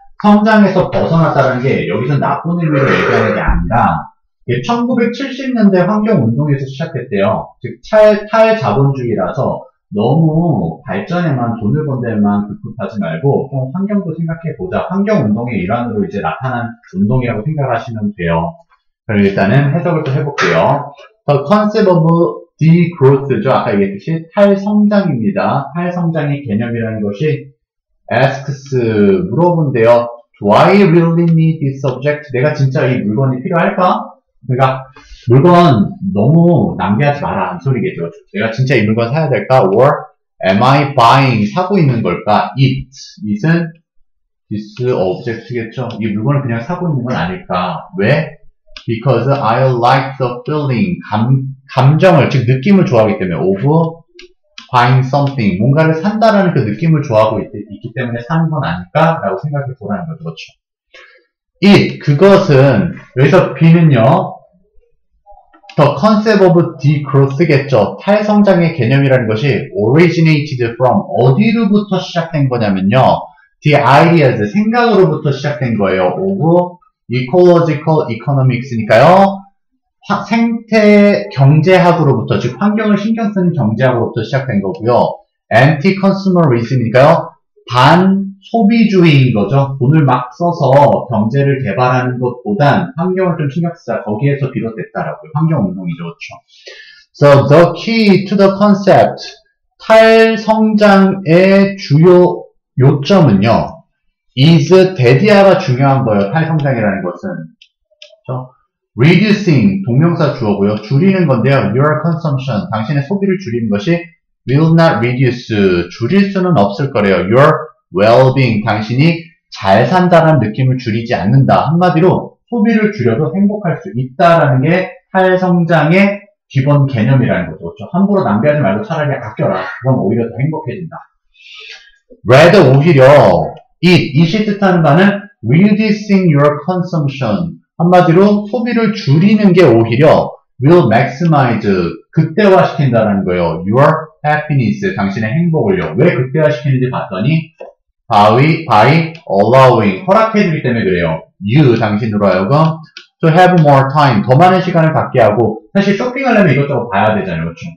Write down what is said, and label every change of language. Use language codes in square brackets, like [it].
[ko] 성장에서 벗어났다는 게 여기서 나쁜 의미로 얘기하는 게 아니라 1970년대 환경운동에서 시작했대요. 즉 탈자본주의라서 너무 발전에만 돈을 번 데만 급급하지 말고 좀 환경도 생각해보자. 환경운동의 일환으로 이제 나타난 운동이라고 생각하시면 돼요. 그럼 일단은 해석을 또 해볼게요. [en] The concept of degrowth죠. [ko] 아까 얘기했듯이 탈성장입니다. 탈성장의 개념이라는 것이 [en] asks, [ko] 물어본대요. [en] Do I really need this object? [ko] 내가 진짜 이 물건이 필요할까? 그러니까 물건 너무 남겨하지 마라 하는 소리겠죠. 내가 진짜 이 물건 사야 될까? [en] Or am I buying, [ko] 사고 있는 걸까? [en] It은 this object겠죠. [ko] 이 물건을 그냥 사고 있는 건 아닐까? 왜? [en] Because I like the feeling, [ko] 감정을, 즉 느낌을 좋아하기 때문에 [en] of buying something, [ko] 뭔가를 산다라는 그 느낌을 좋아하고 있기 때문에 사는 건 아닐까? 라고 생각해 보라는 거죠. 그렇죠? [en] It, [ko] 그것은, 여기서 [en] be는요, the concept of degrowth겠죠. [ko] 탈성장의 개념이라는 것이 [en] originated from, [ko] 어디로부터 시작된 거냐면요, [en] the ideas, [ko] 생각으로부터 시작된 거예요. [en] of ecological economics니까요. [ko] 생태 경제학으로부터, 즉 환경을 신경 쓰는 경제학으로부터 시작된 거고요. anti-consumerism이니까요. 반소비주의인 거죠. 돈을 막 써서 경제를 개발하는 것보단 환경을 좀 신경 쓰자. 거기에서 비롯됐다라고요. 환경운동이죠. 그렇죠. [en] So the key to the concept, [ko] 탈성장의 주요 요점은요. is 대디아가 중요한 거예요. 탈성장이라는 것은. 그렇죠? reducing, 동명사 주어고요. 줄이는 건데요. [en] your consumption, [ko] 당신의 소비를 줄이는 것이 [en] will not reduce, [ko] 줄일 수는 없을 거래요. your well-being, 당신이 잘 산다라는 느낌을 줄이지 않는다. 한마디로 소비를 줄여도 행복할 수 있다라는 게 탈성장의 기본 개념이라는 거죠. 그렇죠? 함부로 낭비하지 말고 차라리 아껴라. 그럼 오히려 더 행복해진다. [en] Rather [ko] 오히려 [en] eat, eat이 [ko] 뜻하는 바는 [en] reducing your consumption. [ko] 한마디로 소비를 줄이는 게 오히려 will maximize, 극대화시킨다는 거예요. [en] Your happiness, [ko] 당신의 행복을요. 왜 극대화시키는지 봤더니 [en] by allowing, [ko] 허락해주기 때문에 그래요. You, 당신으로 하여금 [en] to have more time, [ko] 더 많은 시간을 갖게 하고, 사실 쇼핑하려면 이것저것 봐야 되잖아요. 그렇죠?